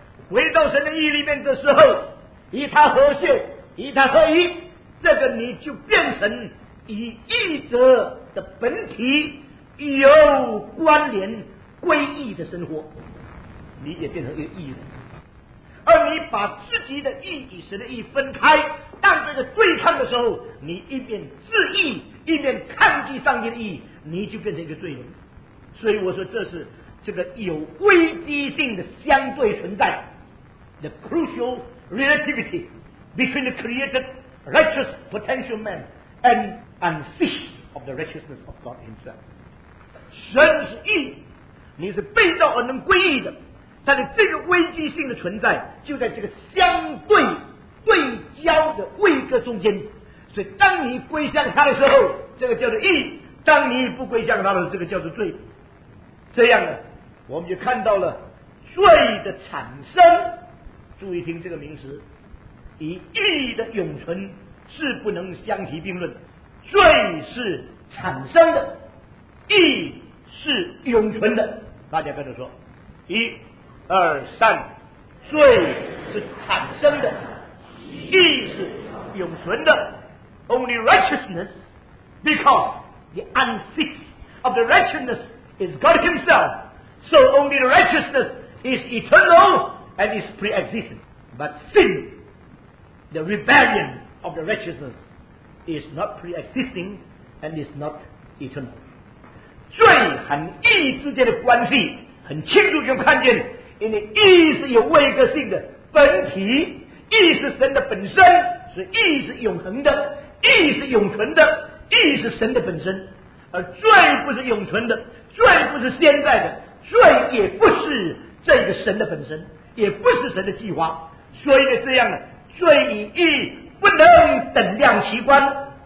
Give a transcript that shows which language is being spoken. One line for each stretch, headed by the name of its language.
Chinese: 回到神的义里面的时候，与他和谐与他合一，这个你就变成与义者的本体有关联归义的生活，你也变成一个义人，而你把自己的义与神的义分开，当这个对抗的时候，你一边自义一边抗拒上帝的义，你就变成一个罪人。所以我说这是这个有危机性的相对存在
English: The crucial relativity between the created righteous potential man and unceased of the righteousness of God himself。
Chinese: 神是义，你是被造而能归义的，但是这个危机性的存在就在这个相对对焦的位格中间，所以当你归向他的时候，这个叫做义；当你不归向他的时候，这个叫做罪。这样呢，我们就看到了罪的产生，注意听这个名词，与义的永存是不能相提并论，罪是产生的，义是永存的。大家跟着说，一二三，罪是产生的，义是永存的。
English: Only righteousness because the unceasing of the righteousness is God himself, so only the righteousness is eternal and is pre-existent. But sin, the rebellion of the righteousness is not pre-existing and is not eternal.
Chinese: 罪和义之间的关系很清楚就看见，因为义是有位格性的本体，义是神的本身，所以义是永恒的，义是永存的，义是神的本身，而罪不是永存的，罪不是现在的，罪也不是这个神的本身，也不是神的计划，所以这样呢，罪与义不能等量齐观。